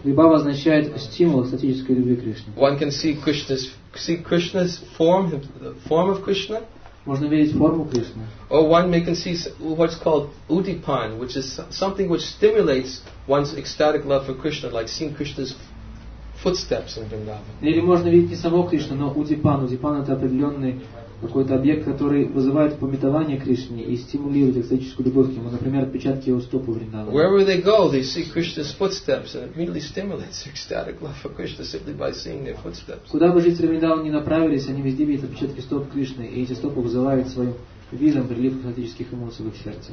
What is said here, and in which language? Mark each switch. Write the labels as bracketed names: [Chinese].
[Russian] Vibhava означает стимул экстатической любви к Кришне. [English] One can see Krishna's form, the form of Krishna. [Russian] Можно видеть форму Кришны. [English] Or one may can see what's called udipan, which is something which stimulates one's ecstatic love for Krishna, like seeing Krishna's footsteps in Vrindavan. [Russian] Или можно видеть не самого Кришну, но Удипану. Удипан это определенный какой-то объект, который вызывает памятование Кришне и стимулирует экстатическую любовь к нему. Например, отпечатки его стоп у Вриндавана. [English] Wherever they go, they see Krishna's footsteps and immediately stimulates ecstatic love for Krishna simply by seeing their footsteps. [Russian] Куда бы жители Вриндавана ни направились, они везде видят отпечатки стоп Кришны, и эти стопы вызывают своим видом прилив экстатических эмоций в их сердце.